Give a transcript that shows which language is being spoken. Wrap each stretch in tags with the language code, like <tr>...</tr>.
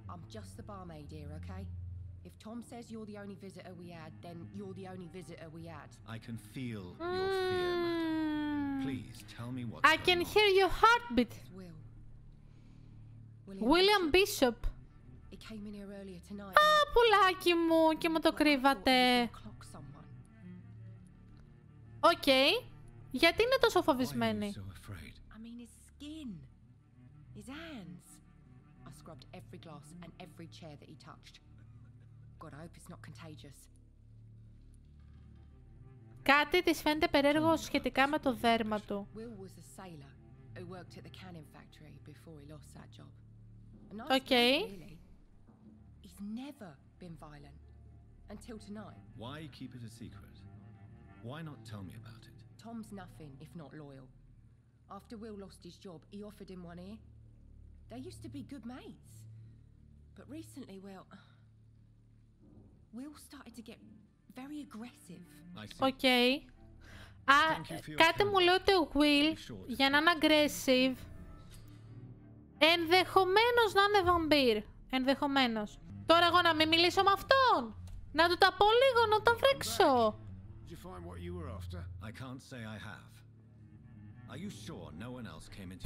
<en>I'm just the barmaid here, okay? If Tom says you're the only visitor we had, then you're the only visitor we had. I can feel your fear, madam. Please tell me what's going on. I can hear your heartbeat. Will. William Bishop. He came in here earlier tonight.</en> <el>Ah, πουλάκι μου, και μου το κρύβατε. Okay. Γιατί είναι τόσο φοβισμένη?</el> <en>I mean his skin. His hands. I scrubbed every glass and every chair that he touched. God, I hope it's not contagious.</en> <el>Κάτι της φαίνεται περίεργο σχετικά με το δέρμα του.</el> <en>Will was a sailor who worked at the cannon factory before he lost that job. Okay. He's never been violent until tonight. Why keep it a secret? Why not tell me about it? Tom's nothing if not loyal. After Will lost his job, he offered him one ear. They used to be good mates. But recently, Will started to get very aggressive. Okay.</en> <el>Κάτι μου λέει ότι ο Will, για να είναι aggressive, ενδεχομένως να είναι vampire. Ενδεχομένως. Τώρα εγώ να μην μιλήσω με αυτόν. Να του τα πω λίγο, να τον βρέξω.</el> <en>Did you find what you were after? I can't say I have. Are you sure no one else came into?</en>